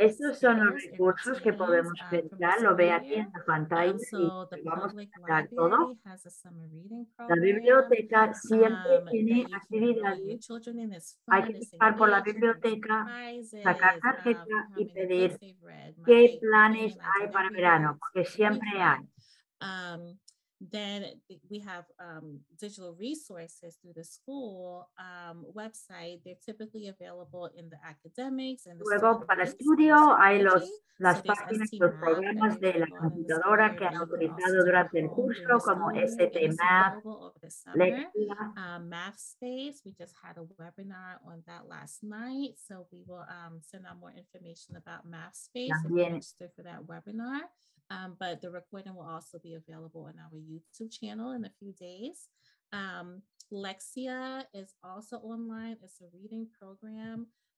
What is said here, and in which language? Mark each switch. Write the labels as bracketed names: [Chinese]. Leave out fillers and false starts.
[Spanish] Estos son los recursos que podemos pensar, lo ve aquí en la pantalla y vamos a sacar todo. La biblioteca siempre tiene actividades. Hay que pasar por la biblioteca, sacar tarjeta y pedir qué planes hay para verano, porque siempre hay. [English] Then we have digital resources through the school website. They're typically available in the academics and the [Spanish] luego para estudio hay los las páginas los programas de la computadora que han utilizado durante el curso como ST Math, Lectura, [English] Math Space. We just had a webinar on that last night, so we will send out more information about Math Space if you're interested for that webinar. But the recording will also be available on our YouTube channel in a few days. Lexia is also online. It's a reading program.